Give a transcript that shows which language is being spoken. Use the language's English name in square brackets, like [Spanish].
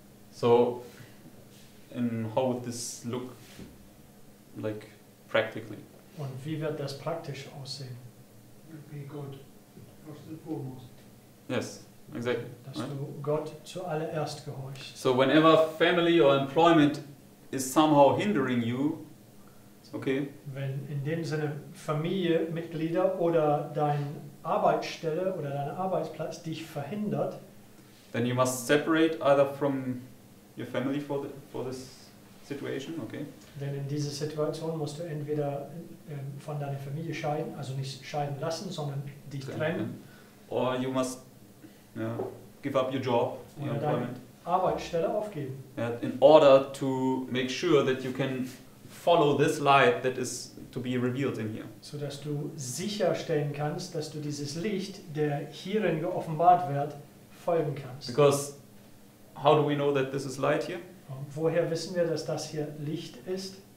[English] So and how would this look like practically? [German] Und wie wird das praktisch aussehen? [English] It'd be God first and foremost. Yes, exactly. [German] Dass [English] right? [German] Du Gott zuallererst gehorchst. [English] So whenever family or employment is somehow hindering you, okay. [German] Wenn in dem Sinne Familie, Mitglieder oder dein Arbeitsstelle oder dein Arbeitsplatz dich verhindert, [English] then you must separate either from your family for this situation, okay? [German] Denn in dieser Situation musst du entweder von deiner Familie scheiden, also nicht scheiden lassen, sondern dich trennen. [English] Or you must give up your job, your employment. [German] Arbeitsstelle aufgeben. [English] In order to make sure that you can follow this light that is to be revealed in here. [German] So dass du sicherstellen kannst, dass du dieses Licht, der hierin geoffenbart wird, folgen kannst. [English] Because how do we know that this is light here? [German] Woher wissen wir, dass das hier Licht ist?